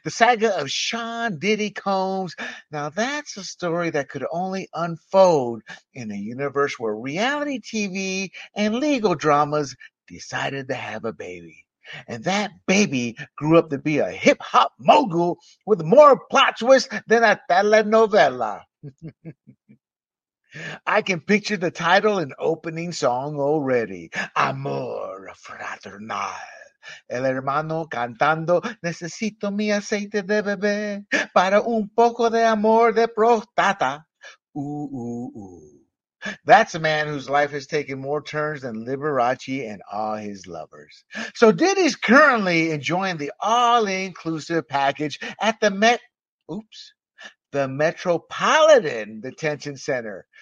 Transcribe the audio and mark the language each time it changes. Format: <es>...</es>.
<en>The saga of Sean Diddy Combs, now that's a story that could only unfold in a universe where reality TV and legal dramas decided to have a baby. And that baby grew up to be a hip-hop mogul with more plot twists than a telenovela. I can picture the title and opening song already.</en> <es>Amor fraternal. El hermano cantando, necesito mi aceite de bebé para un poco de amor de prostata. Ooh, ooh, ooh.</es> <en>That's a man whose life has taken more turns than Liberace and all his lovers. So Diddy's currently enjoying the all-inclusive package at the Metropolitan Detention Center.</en>